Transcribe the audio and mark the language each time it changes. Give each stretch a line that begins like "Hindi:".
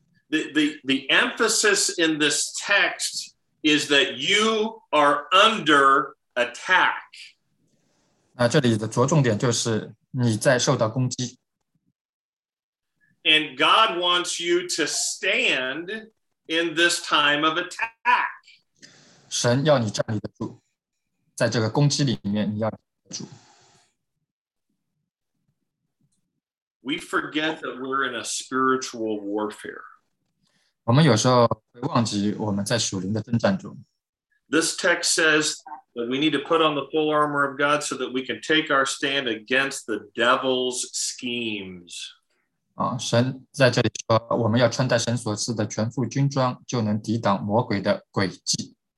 English: The emphasis in this text is that you are under attack.
Chinese: 这里的着重点就是你在受到攻击。
English: And God wants you to stand in this time of attack.
Chinese: 神要你站立得住, 在这个攻击里面你要站立得住。
English: We forget that we're in a spiritual warfare.
Chinese: 我们有时候会忘记我们在属灵的征战中。
English: This text says that we need to put on the full armor of God so that we can take our stand against the devil's schemes.
Chinese: 神在这里说，我们要穿戴神所赐的全副军装，就能抵挡魔鬼的诡计。